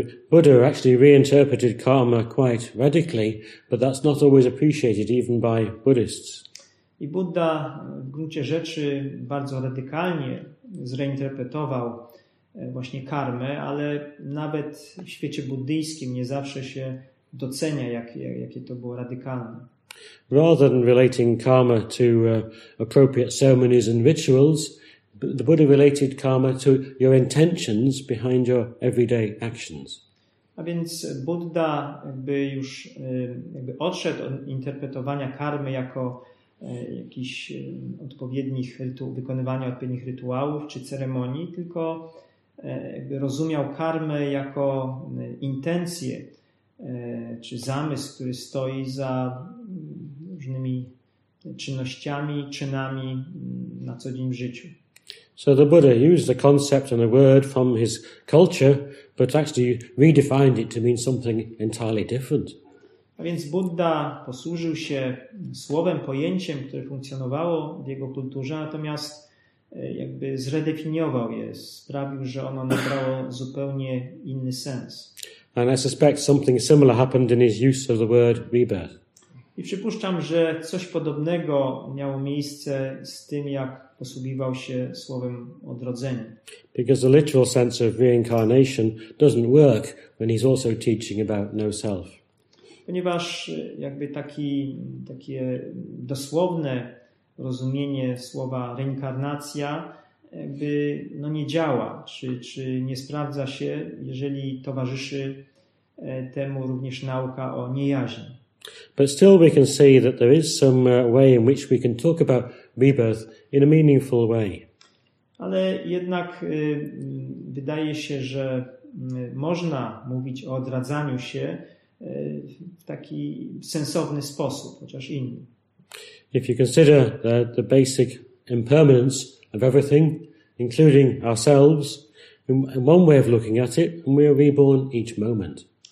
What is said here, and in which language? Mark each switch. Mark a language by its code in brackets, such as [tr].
[en] Buddha actually reinterpreted karma quite radically, but that's not always appreciated even by Buddhists. [pl] I Budda w gruncie rzeczy bardzo radykalnie zreinterpretował właśnie karmę, ale nawet w świecie buddyjskim nie zawsze się docenia, jakie to było radykalne. [en] Rather than relating karma to appropriate ceremonies and rituals, the Buddha related karma to your intentions behind your everyday actions. [pl] A więc Budda jakby już jakby odszedł od interpretowania karmy jako jakichś odpowiednich wykonywania odpowiednich rytuałów czy ceremonii, tylko jakby rozumiał karmę jako intencję czy zamysł, który stoi za różnymi czynnościami, czynami na co dzień w życiu. [en] So the Buddha used the concept and the word from his culture, but actually redefined it to mean something entirely different. [pl] A więc Budda posłużył się słowem, pojęciem, które funkcjonowało w jego kulturze, natomiast jakby zredefiniował je, sprawił, że ono nabrało zupełnie inny sens. [en] And I suspect something similar happened in his use of the word rebirth. [pl] I przypuszczam, że coś podobnego miało miejsce z tym, jak posługiwał się słowem odrodzenie. [en] Because the literal sense of reincarnation doesn't work when he's also teaching about no self. [pl] Ponieważ jakby takie dosłowne rozumienie słowa reinkarnacja jakby no nie działa, czy nie sprawdza się, jeżeli towarzyszy temu również nauka o niejaźni. [en] But still we can see that there is some way in which we can talk about rebirth in a meaningful way. [pl] Ale jednak wydaje się, że można mówić o odradzaniu się w taki sensowny sposób, chociaż inny. [en] If you consider the basic impermanence of everything, including ourselves, in one way of looking at it, we are reborn each moment.